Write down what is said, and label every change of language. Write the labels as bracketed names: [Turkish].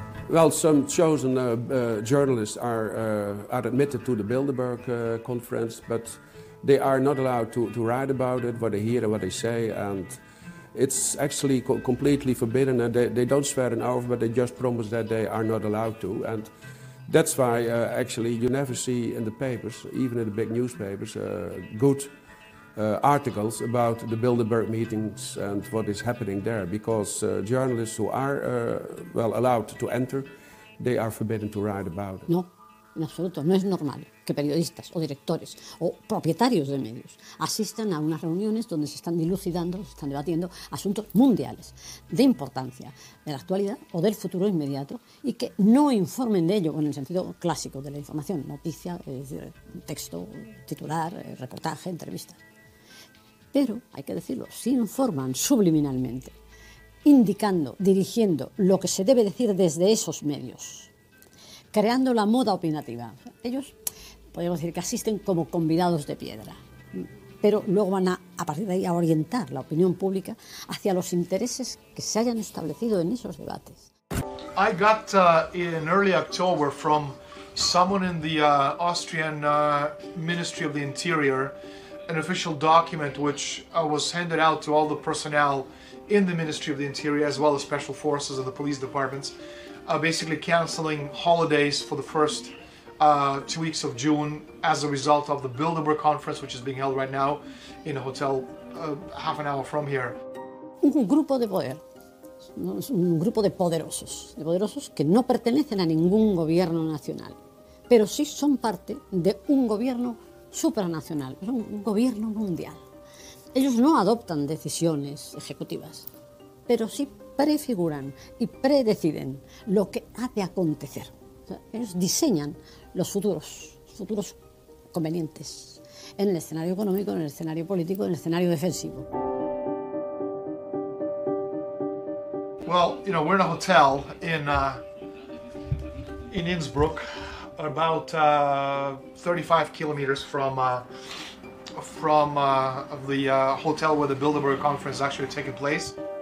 [English] Well, some chosen journalists are admitted to the Bilderberg conference, but they are not allowed to write about it, what they hear and what they say, and it's actually completely forbidden, and they don't swear an oath, but they just promise that they are not allowed to, and that's why actually you never see in the papers, even in the big newspapers, good articles about the Bilderberg meetings and what is happening there, because journalists who are allowed to enter, they are forbidden to write about it. [Spanish] No, en absoluto, no es normal que periodistas o directores o propietarios de medios asistan a unas reuniones donde se están dilucidando, se están debatiendo asuntos mundiales de importancia de la actualidad o del futuro inmediato y que no informen de ello con el sentido clásico de la información, noticia, es decir, texto, titular, reportaje, entrevista. Pero, hay que decirlo, si informan subliminalmente, indicando, dirigiendo lo que se debe decir desde esos medios, creando la moda opinativa. Ellos, podemos decir que asisten como convidados de piedra, pero luego van a partir de ahí a orientar la opinión pública hacia los intereses que se hayan establecido en esos debates. [English] I got in early October from someone in the Austrian Ministry of the Interior an official document which was handed out to all the personnel in the Ministry of the Interior, as well as special forces and the police departments, basically canceling holidays for the first 2 weeks of June as a result of the Bilderberg conference, which is being held right now in a hotel half an hour from here. [Spanish] Un grupo de poder. Es un grupo de poderosos que no pertenecen a ningún gobierno nacional, pero sí son parte de un gobierno supranacional, un gobierno mundial. Ellos no adoptan decisiones ejecutivas, pero sí prefiguran y predeciden lo que ha de acontecer. O sea, ellos diseñan los futuros convenientes en el escenario económico, en el escenario político, en el escenario defensivo. [English] Well, you know, we're in a hotel in Innsbruck, about 35 kilometers from the hotel where the Bilderberg conference is actually taking place.